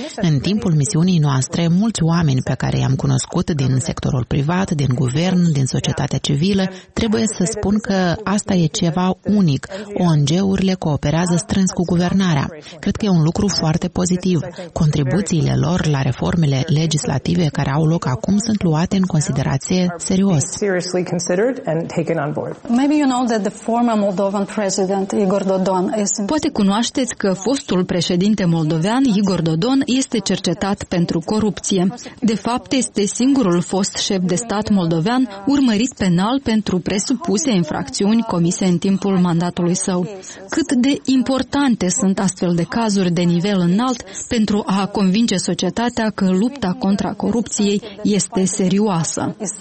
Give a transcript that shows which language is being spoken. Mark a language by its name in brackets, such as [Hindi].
[Romanian] În timpul misiunii noastre, mulți oameni pe care i-am cunoscut din sectorul privat, din guvern, din societatea civilă, trebuie să spun că asta e ceva unic. ONG-urile cooperează strâns cu guvernarea. Cred că e un lucru foarte pozitiv. Contribuțiile lor la reformele legislative care au loc acum sunt luate în considerație serios. [English] Seriously considered and taken on board. Maybe you know that the former Moldovan president Igor Dodon is. [Romanian] Poate cunoașteți că fostul președinte moldovean Igor Dodon este cercetat pentru corupție. De fapt, este singurul fost șef de stat moldovean urmărit penal pentru presupuse infracțiuni comise în timpul mandatului său. Cât de importante sunt astfel de cazuri de nivel înalt pentru a convinge societatea că lupta contra corupției este serioasă?